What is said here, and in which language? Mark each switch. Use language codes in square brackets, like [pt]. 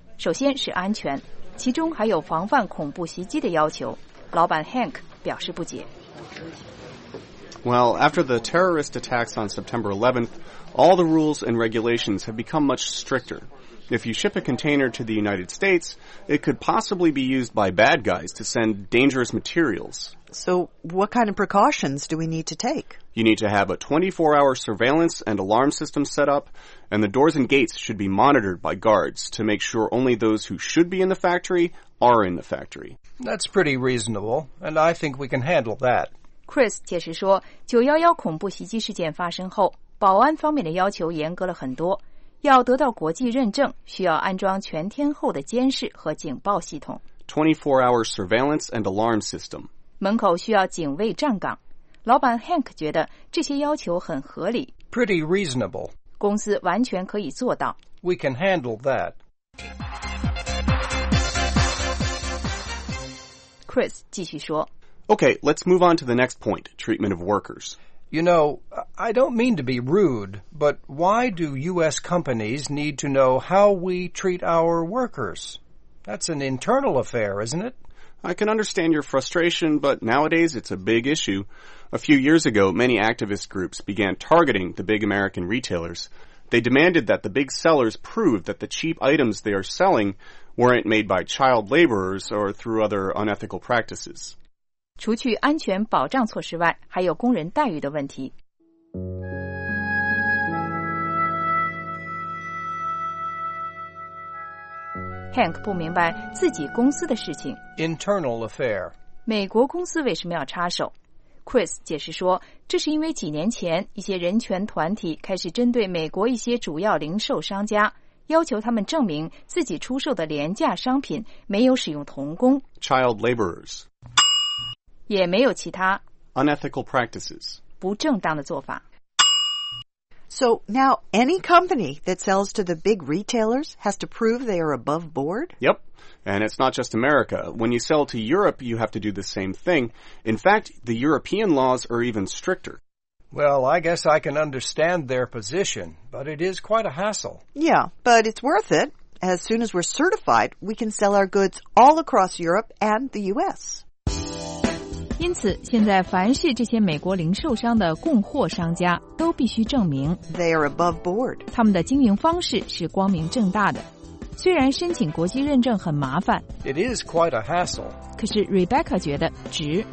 [zh] 首先是安全，其中还有防范恐怖袭击的要求。老板 Hank 表示不解。 [en] Well, after the terrorist attacks on September 11th, all the rules and regulations have become much stricter. If you ship a container to the United States, it could possibly be used by bad guys to send dangerous materials. So what kind of precautions do we need to take? You need to have a 24-hour surveillance and alarm system set up, and the doors and gates should be monitored by guards to make sure only those who should be in the factory are in the factory. That's pretty reasonable, and I think we can handle that. [zh] Chris 解释说 ,911 恐怖袭击事件发生后保安方面的要求严格了很多。要得到国际认证需要安装全天候的监视和警报系统。 [en] 24-hour surveillance and alarm system. [zh] 门口需要警卫站岗。老板 Hank 觉得这些要求很合理。 [en] Pretty reasonable. [zh] 公司完全可以做到。 [en] We can handle that. [zh] Chris 继续说。 [en] Okay, let's move on to the next point, treatment of workers. You know, I don't mean to be rude, but why do U.S. companies need to know how we treat our workers? That's an internal affair, isn't it? I can understand your frustration, but nowadays it's a big issue. A few years ago, many activist groups began targeting the big American retailers. They demanded that the big sellers prove that the cheap items they are selling weren't made by child laborers or through other unethical practices. [zh] 除去安全保障措施外，还有工人待遇的问题。 Hank 不明白自己公司的事情。 [en] Internal affair. [zh] 美国公司为什么要插手？Chris 解释说，这是因为几年前一些人权团体开始针对美国一些主要零售商家，要求他们证明自己出售的廉价商品没有使用童工 [en] child laborers， [zh] 也没有其他 [en] unethical practices， [zh] 不正当的做法。 [en] So now any company that sells to the big retailers has to prove they are above board? Yep. And it's not just America. When you sell to Europe, you have to do the same thing. In fact, the European laws are even stricter. Well, I guess I can understand their position, but it is quite a hassle. Yeah, but it's worth it. As soon as we're certified, we can sell our goods all across Europe and the U.S. [zh] 因此，现在凡是这些美国零售商的供货商家都必须证明 [en] They are above board. [zh] 他们的经营方式是光明正大的。虽然申请国际认证很麻烦 [en] It is quite a hassle. [zh] 可是 Rebecca 觉得值